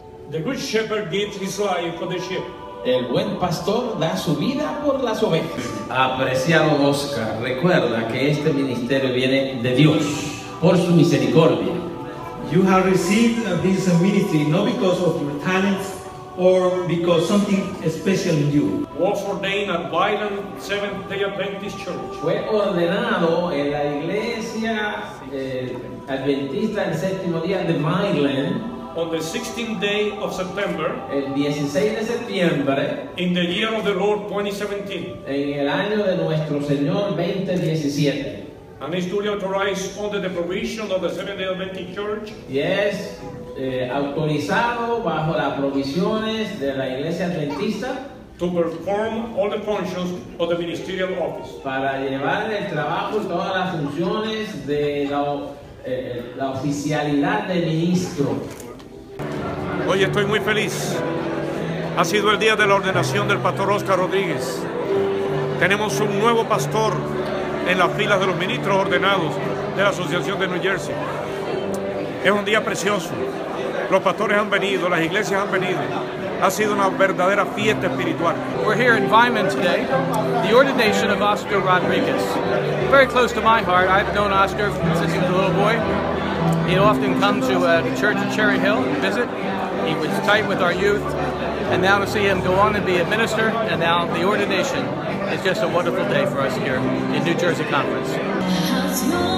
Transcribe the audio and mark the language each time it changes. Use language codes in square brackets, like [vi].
[en] The good shepherd gives his life for the sheep. [es] El buen pastor da su vida por las ovejas. Apreciado Oscar, recuerda que este ministerio viene de Dios, por su misericordia. [en] You have received this ministry not because of your talents or because something special in you. Was ordained at Violent Seventh-day Adventist Church. [es] Fue ordenado en la iglesia adventista del séptimo día de Violent. [en] On the 16th day of September, [es] el 16 de septiembre, [en] in the year of the Lord 2017, [es] en el año de nuestro Señor 2017, [en] and is duly authorized under the provision of the Seventh-day Adventist Church. [es] Yes, autorizado bajo las provisiones de la Iglesia Adventista [en] to perform all the functions of the ministerial office. [es] Para llevar el trabajo y todas las funciones de la oficialidad de ministro. Hoy estoy muy feliz. Ha sido el día de la ordenación del pastor Oscar Rodríguez. Tenemos un nuevo pastor en las filas de los ministros ordenados de la Asociación de New Jersey. Es un día precioso. Los pastores han venido, las iglesias han venido. Ha sido una verdadera fiesta espiritual. [en] We're here in Vimen today, the ordination of Oscar Rodríguez. Very close to my heart. I've known Oscar since he was a little boy. He often comes to a church in Cherry Hill and visit. He was tight with our youth, and now to see him go on and be a minister, and now the ordination, is just a wonderful day for us here in New Jersey Conference.